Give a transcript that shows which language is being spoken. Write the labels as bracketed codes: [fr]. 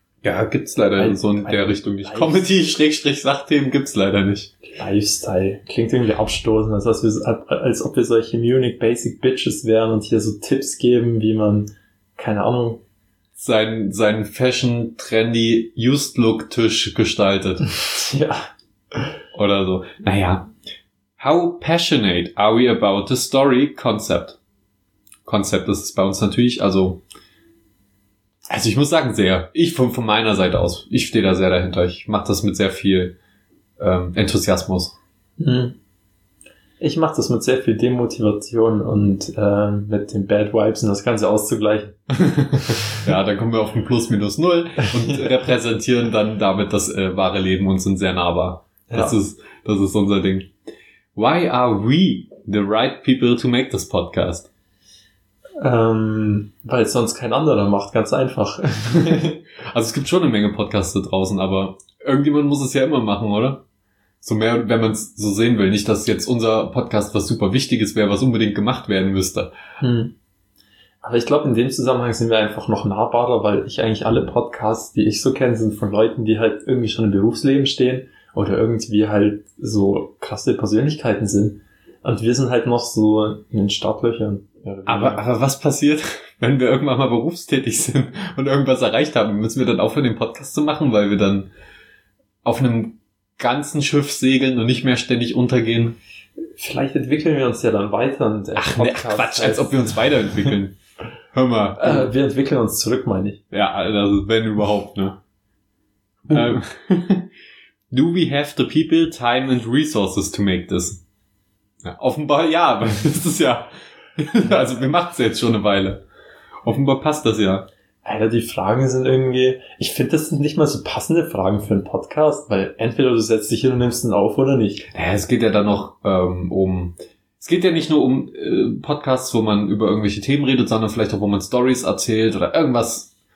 [de] Ja, gibt's leider in so der Richtung nicht. Comedy-Sachthemen gibt's leider nicht. Lifestyle. Klingt irgendwie abstoßend, als ob wir solche Munich Basic Bitches wären und hier so Tipps geben, wie man, keine Ahnung, seinen Fashion-Trendy Used-Look-Tisch gestaltet. Ja. Oder so. Naja. [en] How passionate are we about the story concept? [de] Konzept ist es bei uns natürlich, also ich muss sagen, sehr. Ich von meiner Seite aus, ich stehe da sehr dahinter. Ich mache das mit sehr viel Enthusiasmus. Ich mache das mit sehr viel Demotivation und mit den Bad Vibes und das Ganze auszugleichen. Ja, dann kommen wir auf ein Plus, Minus, Null und repräsentieren dann damit das wahre Leben und sind sehr nahbar. Das ist unser Ding. [en] Why are we the right people to make this podcast? [de] Weil es sonst kein anderer macht, ganz einfach. Also es gibt schon eine Menge Podcasts da draußen, aber irgendjemand muss es ja immer machen, oder? So mehr, wenn man es so sehen will. Nicht, dass jetzt unser Podcast was super Wichtiges wäre, was unbedingt gemacht werden müsste. Aber ich glaube, in dem Zusammenhang sind wir einfach noch nahbarer, weil ich eigentlich alle Podcasts, die ich so kenne, sind von Leuten, die halt irgendwie schon im Berufsleben stehen oder irgendwie halt so krasse Persönlichkeiten sind. Und wir sind halt noch so in den Startlöchern. Aber was passiert, wenn wir irgendwann mal berufstätig sind und irgendwas erreicht haben? Müssen wir dann aufhören, den Podcast zu machen, weil wir dann auf einem ganzen Schiff segeln und nicht mehr ständig untergehen? Vielleicht entwickeln wir uns ja dann weiter. Quatsch, als ob wir uns weiterentwickeln. Hör mal. Wir entwickeln uns zurück, meine ich. Ja, also wenn überhaupt, ne? [en] Do we have the people, time and resources to make this? [de] Ja, offenbar ja, weil das ist ja... Also wir machen es jetzt schon eine Weile. Offenbar passt das ja. Alter, die Fragen sind irgendwie... Ich finde, das sind nicht mal so passende Fragen für einen Podcast, weil entweder du setzt dich hin und nimmst ihn auf oder nicht. Naja, es geht ja dann noch Es geht ja nicht nur um Podcasts, wo man über irgendwelche Themen redet, sondern vielleicht auch, wo man Stories erzählt oder irgendwas